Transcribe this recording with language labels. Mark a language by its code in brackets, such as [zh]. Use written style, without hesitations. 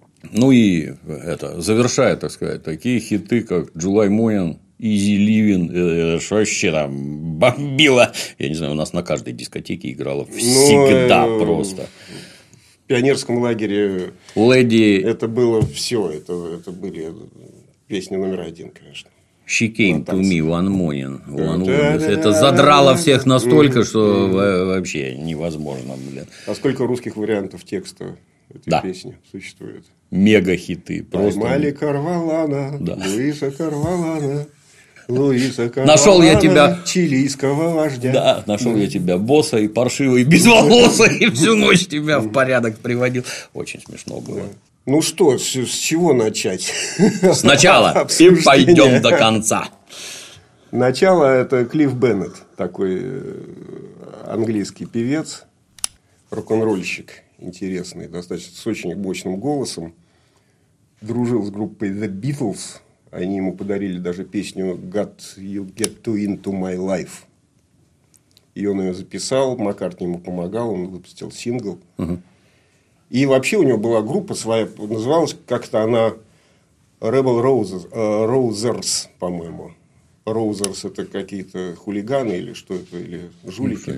[ru] Ну, и это, завершая, так сказать, такие хиты, как July Morning, Easy Living, что вообще там бомбило. Я не знаю, у нас на каждой дискотеке играло всегда просто. В пионерском лагере [en] Lady... [ru] это было все. Это были песни номер один, конечно. [en] She came to me one morning. [ru] Это задрало всех настолько, что вообще невозможно, блин. А сколько русских вариантов текста этой песни существует? Мега-хиты. Просто... Поймали Карвалана, Луиса Карвалана. Луиса Карвалана. Нашел я тебя. Чилийского вождя. Да, нашел я тебя босса и паршивый, безволосый, и всю ночь тебя в порядок приводил. Очень смешно было. Ну что, с чего начать? Сначала и пойдем до конца. Начало – это Клифф Беннет, такой английский певец, рок-н-ролльщик интересный, достаточно с очень мощным голосом. Дружил с группой The Beatles. Они ему подарили даже песню «Got You Get To Into My Life». И он ее записал, Маккартни ему помогал, он выпустил сингл. И вообще у него была группа своя, называлась как-то она Rebel Roses, Roses, по-моему. Роузерс – это какие-то хулиганы или что это, или жулики.